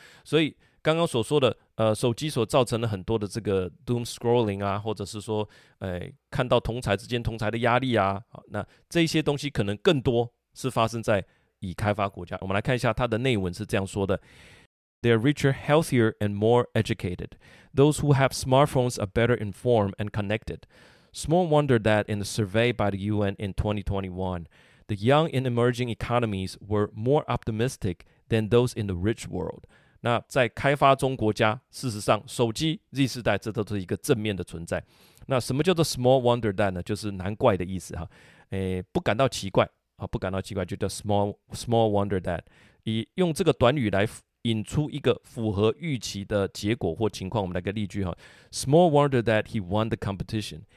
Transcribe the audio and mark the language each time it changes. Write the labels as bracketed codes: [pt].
[zh] 所以刚刚所说的手机所造成的很多的这个 doom scrolling 啊，或者是说看到同侪之间同侪的压力啊，那这些东西可能更多是发生在已开发国家。我们来看一下它的内文是这样说的。 [en] They are richer, healthier, and more educated. Those who have smartphones are better informed and connected. Small wonder that in a survey by the UN in 2021, the young in emerging economies were more optimistic than those in the rich world. [zh] 那在开发中国家，事实上，手机 Z 世代这都是一个正面的存在。那什么叫做 [en] small wonder that [zh] 呢？就是难怪的意思哈，不感到奇怪啊，不感到奇怪就叫 [en] small wonder that， 以用这个短语来引出一个符合预期的结果或情况。我们来个例句哈 ，small wonder that he won the competition.